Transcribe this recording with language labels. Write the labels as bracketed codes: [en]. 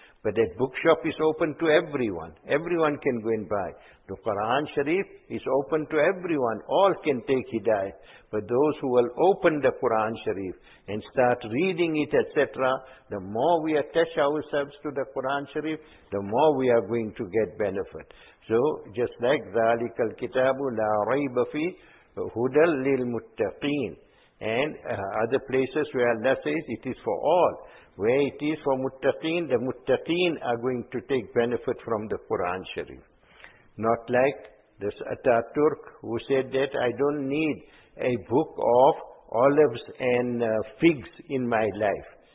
[en] But that bookshop is open to everyone. Everyone can go and buy. The Quran Sharif is open to everyone. All can take hidayah. But those who will open the Quran Sharif and start reading it, etc., the more we attach ourselves to the Quran Sharif, the more we are going to get benefit. So, just like [ar] ذَلِكَ الْكِتَابُ لَا رَيْبَ فِي هُدًى لِلْمُتَّقِينَ. [en] And other places where Allah says it is for all. Where it is for muttaqeen, the muttaqeen are going to take benefit from the Quran Sharif. Not like this Ataturk who said that I don't need a book of olives and figs in my life.